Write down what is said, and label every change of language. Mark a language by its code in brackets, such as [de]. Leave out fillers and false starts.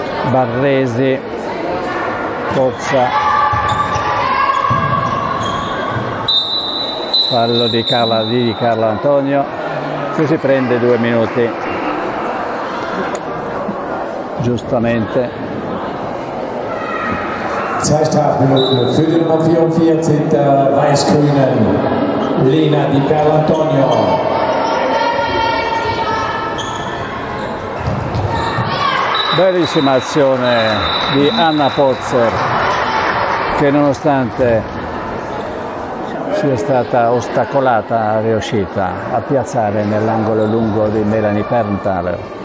[it] Barresi, corsa, fallo di Carlantonio che si prende 2 minuti giustamente. [de] 2 Strafminuten für die Nummer 44 der Weiß-Grünen, Lena Di Carlantonio. [it] Bellissima azione di Anna Pozzer, che nonostante sia stata ostacolata, è riuscita a piazzare nell'angolo lungo di Melanie Perntaler.